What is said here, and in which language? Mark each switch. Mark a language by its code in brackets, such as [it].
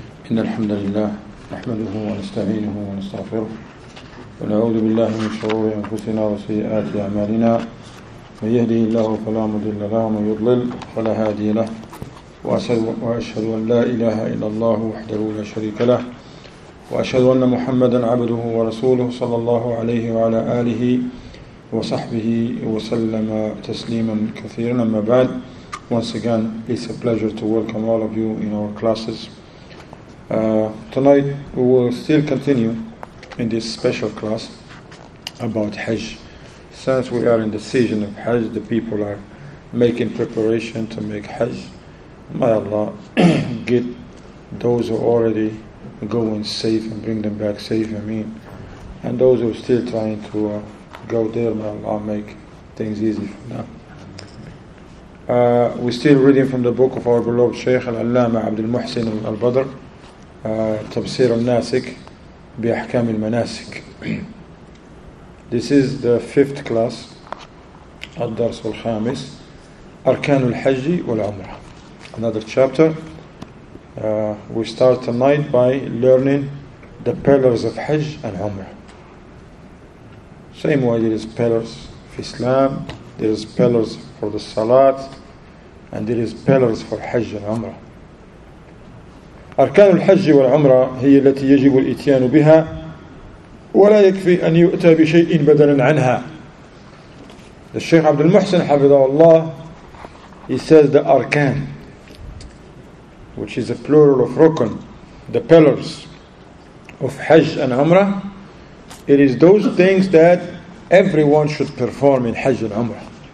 [ar] إن الحمد لله نحمده ونستعينه ونستغفره ونعوذ بالله من شرور أنفسنا وسيئات أعمالنا من يهده الله فلا مضل له ومن يضلل فلا هادي له وأشهد أن لا إله إلا الله وحده لا شريك له وأشهد أن محمدا عبده ورسوله صلى الله عليه وعلى آله وصحبه وسلم تسليما كثيرا أما بعد [en] Once again, it's a pleasure to welcome all of you in our classes. Tonight, we will still continue in this special class about Hajj. Since we are in the season of Hajj, the people are making preparation to make Hajj. May Allah get those who are already going safe and bring them back safe, And those who are still trying to go there, may Allah make things easy for them. We're still reading from the book of our beloved Shaykh Al-Allama Abdul Muhsin Al-Badr, Tafsir Al-Nasik Bi Ahkam Al-Manasik. This is the fifth class, Ad-Dars Al-Khamis, Arkan Al-Hajj Wal-Umrah. Another chapter. We start tonight by learning the pillars of Hajj and Umrah. Same way there is pillars of Islam, there is pillars for the Salat, and there is pillars for Hajj and Umrah. [ar] أركان الحج والعمرة هي التي يجب الإتيان بها ولا يكفي أن يؤتى بشيء بدلا عنها. [en] The Shaykh Abdul Muhsin [ar] حفظه الله, [en] he says the arkan, which is a plural of rukun, the pillars of Hajj and Umrah, it is those things that everyone should perform in Hajj and Umrah.